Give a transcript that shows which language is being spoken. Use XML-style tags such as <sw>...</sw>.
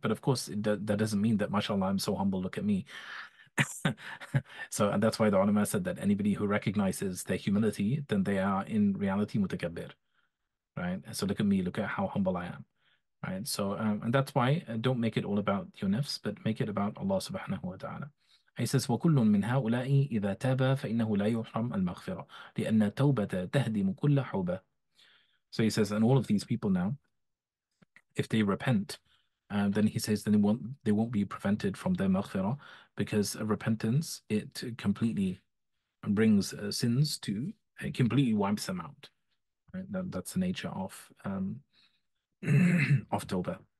<en>But of course, that doesn't mean that mashallah, I'm so humble, look at me. So, and that's why the ulama said that anybody who recognizes their humility, then they are in reality mutakabbir, right? So look at me, look at how humble I am, right? So and that's why don't make it all about your nafs, but make it about Allah subhanahu wa ta'ala.</en> <ar>He says, وَكُلٌّ مِنْ هَؤُلَاءِ إِذَا تَابَ فَإِنَّهُ لَا يُحْرَمْ الْمَغْفِرَةِ لِأَنَّ التَّوْبَةَ تَهْدِمُ كُلَّ حُوبَةٍ.</ar> <en>So he says, and all of these people now, if they repent, then he says, then they won't be prevented from their maghfirah, because repentance, it completely brings sins to, it completely wipes them out. Right? That's the nature of of tawbah.</en>